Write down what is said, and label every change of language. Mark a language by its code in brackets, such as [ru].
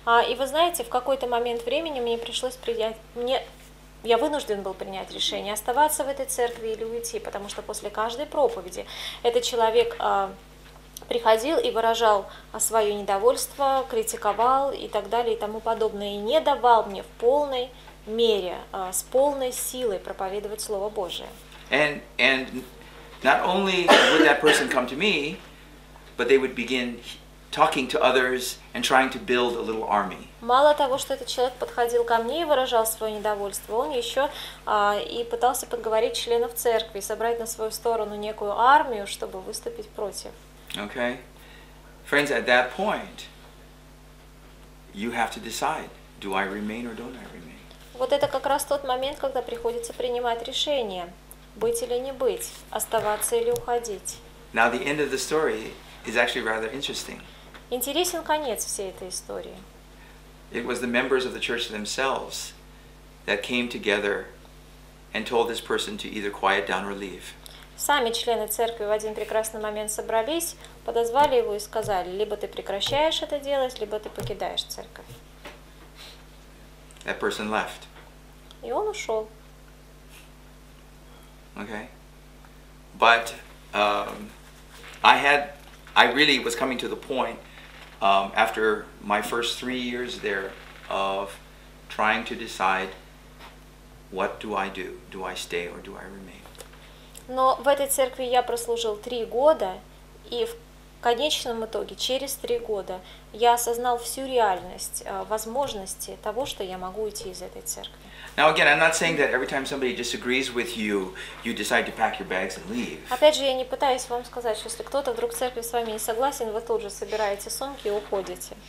[ru] И вы знаете, в какой-то момент времени мне пришлось принять... Я вынужден был принять решение оставаться в этой церкви или уйти, потому что после каждой проповеди этот человек приходил и выражал свое недовольство, критиковал и так далее и тому подобное, и не давал мне в полной мере, с полной силой проповедовать Слово Божие. [en] And not only would that person come to me, but they would begin talking to others and trying to build a little army. [ru] Мало того, что этот человек подходил ко мне и выражал свое недовольство, он еще и пытался подговорить членов церкви, собрать на свою сторону некую армию, чтобы выступить против. [en] Okay. Friends, at that point, you have to decide, do I remain or don't I remain? [ru] Вот это как раз тот момент, когда приходится принимать решение, быть или не быть, оставаться или уходить. [en] Now the end of the story is actually rather interesting. [ru] Интересен конец всей этой истории. [en] It was the members of the church themselves that came together and told this person to either quiet down or leave. [ru] Сами члены церкви в один прекрасный момент собрались, подозвали его и сказали: либо ты прекращаешь это делать, либо ты покидаешь церковь. [en] That person left. [ru] И он ушел. [en] Okay. But I really was coming to the point after my first 3 years there of trying to decide what do I do? Do I stay or do I remain? [ru] Но в этой церкви я прослужил 3 года, и в конечном итоге, через 3 года, я осознал всю реальность возможности того, что я могу уйти из этой церкви. [en] Now again, I'm not saying that every time somebody disagrees with you, you decide to pack your bags and leave. [ru] Опять же, я не пытаюсь вам сказать, что если кто-то вдруг в церкви с вами не согласен, вы тут же собираете сумки и уходите.